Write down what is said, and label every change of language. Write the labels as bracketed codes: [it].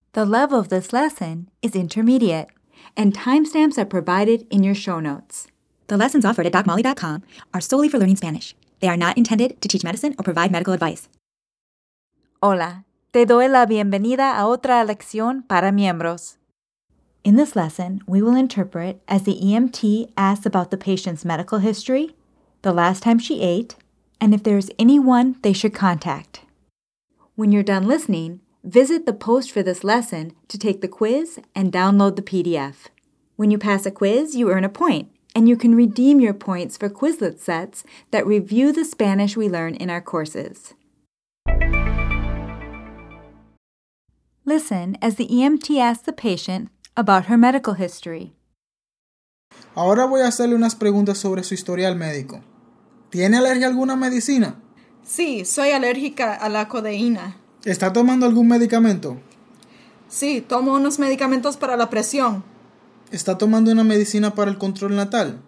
[en] The level of this lesson is intermediate, and timestamps are provided in your show notes. The lessons offered at DocMolly.com are solely for learning Spanish. They are not intended to teach medicine or provide medical advice. [es] Hola, te doy la bienvenida a otra lección para miembros. [en] In this lesson, we will interpret as the EMT asks about the patient's medical history, the last time she ate, and if there is anyone they should contact. When you're done listening, visit the post for this lesson to take the quiz and download the PDF. When you pass a quiz, you earn a point, and you can redeem your points for Quizlet sets that review the Spanish we learn in our courses. Listen as the EMT asks the patient about her medical history. [es] Ahora voy a hacerle unas preguntas sobre su historial médico. ¿Tiene alergia a alguna medicina? Sí, soy alérgica a la codeína. ¿Está tomando algún medicamento? Sí, tomo unos medicamentos para la presión. ¿Está tomando una medicina para el control natal?